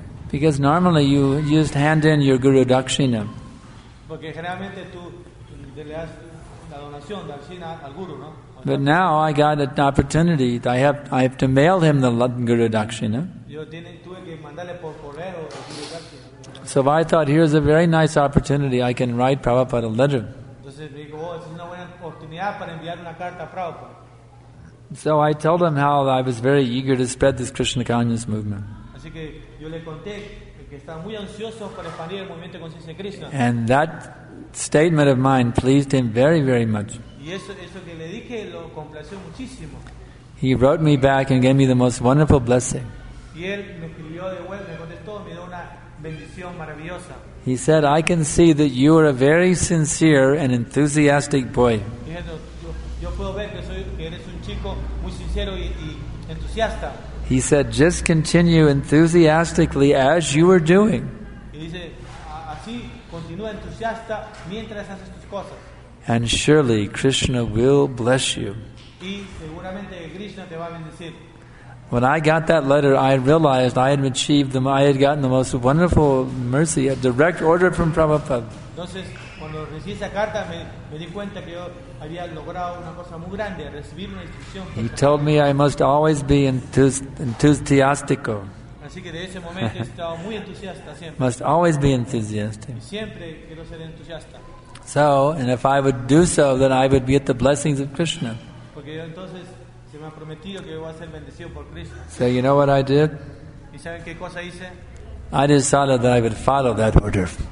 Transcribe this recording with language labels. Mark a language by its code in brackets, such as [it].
[en] Because normally you just hand in your Guru Dakshina. [es] Porque generalmente tú le das la donación, Dakshina, al Guru, ¿no? [en] But now I got an opportunity. I have to mail him the Guru Dakshina. [es] Tuve que mandarle por correo el Guru Dakshina. [en] So I thought, here's a very nice opportunity. I can write Prabhupada a letter. [es] Entonces me dijo, oh, es una buena oportunidad para enviar una carta a Prabhupada. [en] So I told him how I was very eager to spread this Krishna consciousness movement. [es] Así que yo le conté que estaba muy ansioso para expandir el movimiento de conciencia de Krishna. [en] And that statement of mine pleased him very, very much. [es] Y eso que le dije lo complació muchísimo. [en] He wrote me back and gave me the most wonderful blessing. [es] Y él me escribió de vuelta, me contestó, me dio una bendición maravillosa. [en] He said, I can see that you are a very sincere and enthusiastic boy. [es] Yo puedo ver que eres un chico muy sincero y entusiasta. [en] He said, just continue enthusiastically as you are doing. [es] Y dice, así continúa entusiasta mientras haces tus cosas. [en] And surely Krishna will bless you. [es] y seguramente Krishna te va a bendecir. [en] When I got that letter, I realized I had achieved the, I had gotten the most wonderful mercy, a direct order from Prabhupada. [es] Entonces, cuando recibí esa carta, me di cuenta que yo había logrado una cosa muy grande, recibir una instrucción. [en] He told me I must always be enthusiastico. [es] Así que desde ese momento he estado muy entusiasta siempre. [en] Must always be enthusiastic. [es] Y siempre quiero ser entusiasta. [en] So, and if I would do so, then I would get the blessings of Krishna. [es] Porque yo entonces se me ha prometido que voy a ser bendecido por Krishna. [en] So you know what I did? [es] ¿Y saben qué cosa hice? [en] I decided that I would follow that order.